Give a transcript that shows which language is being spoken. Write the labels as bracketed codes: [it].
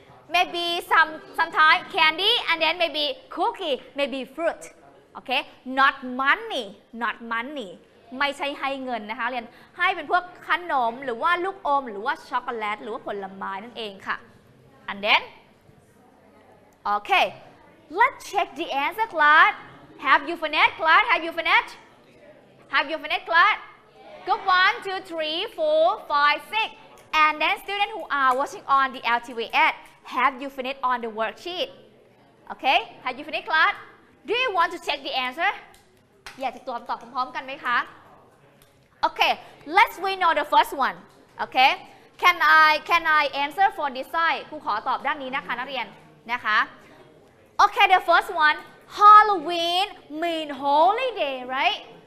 [en] Maybe sometime candy and then maybe cookie, maybe fruit. Okay? Not money. Not money. [th] ไม่ใช่ให้เงินนะคะเรียนให้เป็นพวกขนมหรือว่าลูกอมหรือว่าช็อกโกแลตหรือว่าผลไม้นั่นเองค่ะ [en] And then okay. Let's check the answer class. Have you finished class? Have you finished? Have you finished class? Good one, two, three, four, five, six. And then students who are watching on the LTV ad, have you finished on the worksheet? Okay, have you finished class? Do you want to check the answer? [th] อยากจะตรวจตอบพร้อมๆกันไหมคะ [en] Okay, let's we know the first one. Okay, can I answer for this side? [th] ครูขอตอบด้านนี้นะคะนักเรียนนะคะ [en] Okay, the first one, Halloween mean holy day, right?